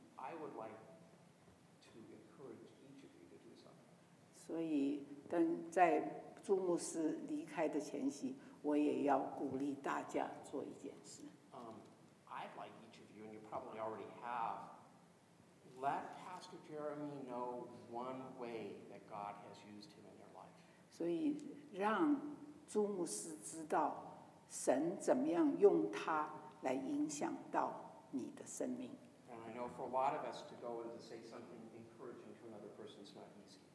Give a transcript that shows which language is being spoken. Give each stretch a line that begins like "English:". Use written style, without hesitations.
English: I would like to encourage each of you to do something.
Chinese: 所以，但在朱牧师离开的前夕，我也要鼓励大家做一件事。
English: I'd like each of you, and you probably already have, let Pastor Jeremy know one way that God has used him in your life.
Chinese: 所以，让朱牧师知道神怎么样用他来影响到。你的生命。
English: And I know for a lot of us to go and to say something encouraging to another person is not easy.